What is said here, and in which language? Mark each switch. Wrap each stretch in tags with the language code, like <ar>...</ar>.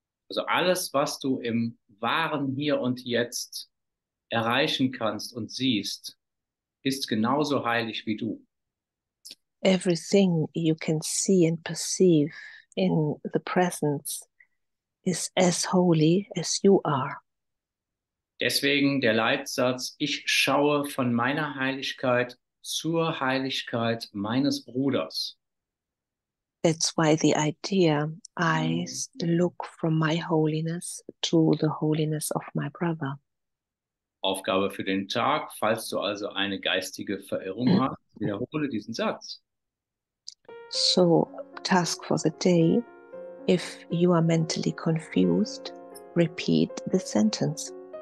<de>Also alles, was du im wahren Hier und Jetzt erreichen kannst und siehst, ist genauso heilig wie du.</de> <en>Everything you can see and perceive in the presence is as holy as you are.</en> <de>Deswegen der Leitsatz, ich schaue von meiner Heiligkeit zur Heiligkeit meines Bruders.</de> <en>That's why the idea, I look from my holiness to the holiness of my brother.</en> <de>Aufgabe für den Tag, falls du also eine geistige Verirrung hast, wiederhole diesen Satz.</de> <en>So, task for the day, if you are mentally confused, repeat the sentence.</en>